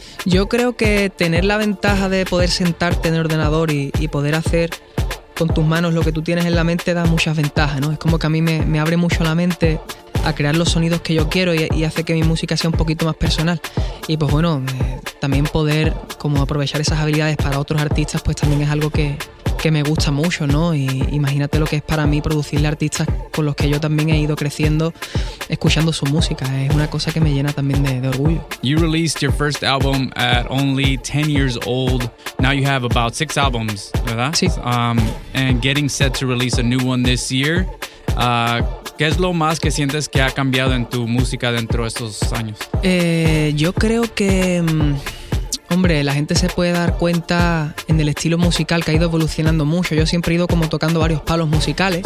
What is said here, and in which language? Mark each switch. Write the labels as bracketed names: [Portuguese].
[Spanish] Yo creo que tener la ventaja de poder sentarte en el ordenador y poder hacer con tus manos lo que tú tienes en la mente da muchas ventajas, ¿no? Es como que a mí me abre mucho la mente a crear los sonidos que yo quiero y hace que mi música sea un poquito más personal. Y pues bueno, también poder como aprovechar esas habilidades para otros artistas, pues también es algo que me gusta mucho, ¿no? Y imagínate lo que es para mí producirle artistas con los que yo también he ido creciendo escuchando su música. Es una cosa que me llena también de orgullo. [English] You released your first album at only 10 years old. Now you have about 6 albums, [Spanish] ¿verdad? Sí. [English] And getting set to release a new one this year. [Spanish] ¿Qué es lo más que sientes que ha cambiado en tu música dentro de estos años? Yo creo que, hombre, la gente se puede dar cuenta en el estilo musical que ha ido evolucionando mucho. Yo siempre he ido como tocando varios palos musicales.